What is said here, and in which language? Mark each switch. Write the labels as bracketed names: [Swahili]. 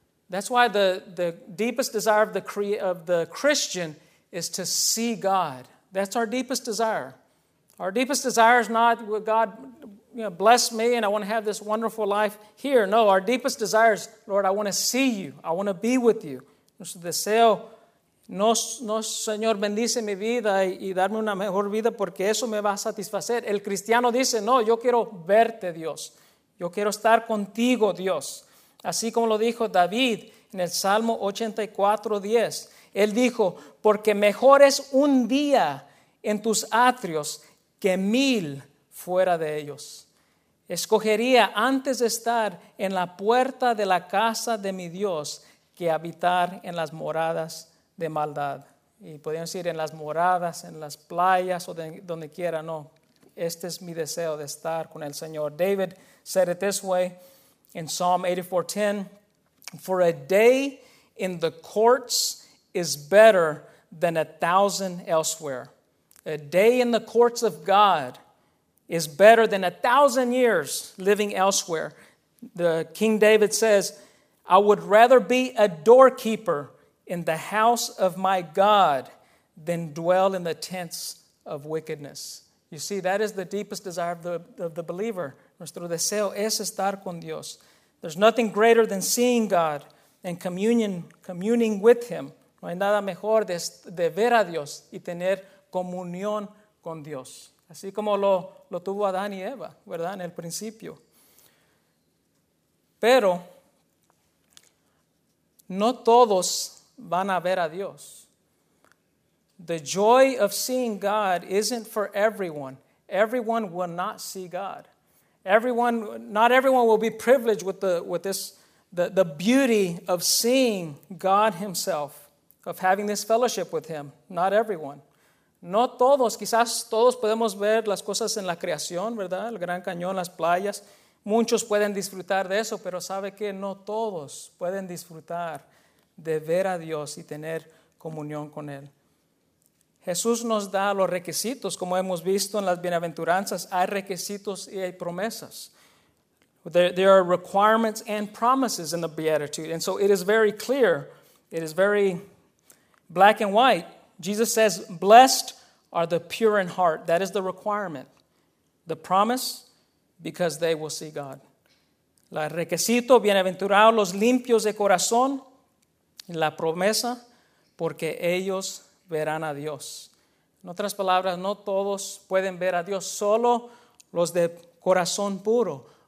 [English] That's why the deepest desire of the Christian is to see God. That's our deepest desire. Our deepest desire is not God, you know, bless me and I want to have this wonderful life here. No, our deepest desire is, Lord, I want to see you. I want to be with you. [Spanish] Nuestro deseo, no, Señor, bendice mi vida y darme una mejor vida porque eso me va a satisfacer. El cristiano dice, no, yo quiero verte, Dios. Yo quiero estar contigo, Dios. Así como lo dijo David en el Salmo 84:10. Él dijo, porque mejor es un día en tus atrios que mil fuera de ellos. Escogería antes de estar en la puerta de la casa de mi Dios que habitar en las moradas de maldad. Y podríamos ir en las moradas, en las playas o de donde quiera. No, este es mi deseo de estar con el Señor. [English] David said it this way in Psalm 84:10. For a day in the courts is better than 1,000 elsewhere. A day in the courts of God is better than 1,000 years living elsewhere. The King David says, I would rather be a doorkeeper in the house of my God than dwell in the tents of wickedness. You see, that is the deepest desire of the believer. [Spanish] Nuestro deseo es estar con Dios. [English] There's nothing greater than seeing God and communing with him. [Spanish] No hay nada mejor de ver a Dios y tener comunión con Dios. Así como lo tuvo Adán y Eva, ¿verdad? En el principio. Pero no todos van a ver a Dios. [English] The joy of seeing God isn't for everyone. Everyone will not see God. Not everyone will be privileged with the beauty of seeing God himself, of having this fellowship with him. Not everyone. [Spanish] No todos, quizás todos podemos ver las cosas en la creación, ¿verdad? El Gran Cañón, las playas. Muchos pueden disfrutar de eso, pero sabe que no todos pueden disfrutar de ver a Dios y tener comunión con él. Jesús nos da los requisitos, como hemos visto en las bienaventuranzas. Hay requisitos y hay promesas. [English] There are requirements and promises in the Beatitude. And so it is very clear. It is very black and white. Jesus says, blessed are the pure in heart. That is the requirement. The promise, because they will see God. [Spanish] La requisito, bienaventurados los limpios de corazón. La promesa, porque ellos verán a Dios. En otras palabras, no todos pueden ver a Dios, solo los de corazón puro.